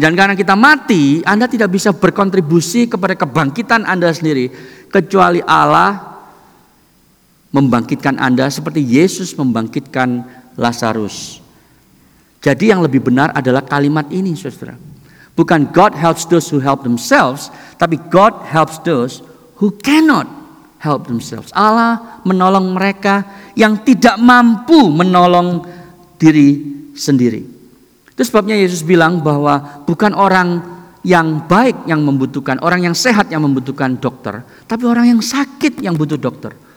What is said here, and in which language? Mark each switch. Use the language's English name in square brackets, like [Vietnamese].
[Indonesian] Dan karena kita mati, Anda tidak bisa berkontribusi kepada kebangkitan Anda sendiri. Kecuali Allah membangkitkan Anda seperti Yesus membangkitkan Lazarus. Jadi yang lebih benar adalah kalimat ini, saudara. [English] Bukan God helps those who help themselves, tapi God helps those who cannot help themselves. [Indonesian] Allah menolong mereka yang tidak mampu menolong diri sendiri. Itu sebabnya Yesus bilang bahwa bukan orang yang baik yang membutuhkan, orang yang sehat yang membutuhkan dokter, tapi orang yang sakit yang butuh dokter.